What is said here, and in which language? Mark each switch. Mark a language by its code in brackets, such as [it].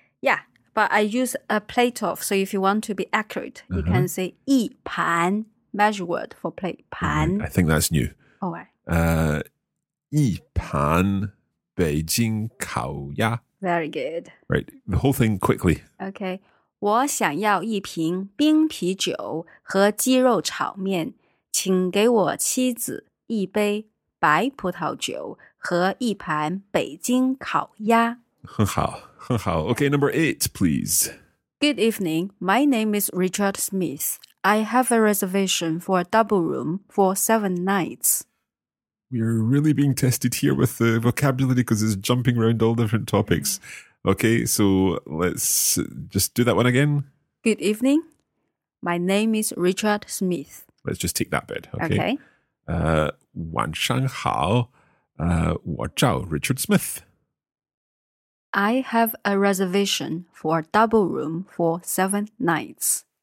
[en] Yeah, but I use a plate of, so if you want to be accurate, uh-huh. You can say 一盘, measure word for plate, 盘. Right, I think that's new. Alright. [zh] 一盘北京烤鸭. [en] Very good. Right, the whole thing quickly. Okay. [zh] 我想要一瓶冰啤酒和鸡肉炒面，请给我妻子一杯白葡萄酒和一盘北京烤鸭。很好，很好。 [en] Okay, number eight, please. Good evening. My name is Richard Smith. I have a reservation for a double room for 7 nights. We are really being tested here with the vocabulary because it's jumping around all different topics. Okay, so let's just do that one again. Good evening. My name is Richard Smith. Let's just take that bit, okay? Okay. [zh] 晚上好,我叫 Richard Smith. [en] I have a reservation for a double room for 7 nights.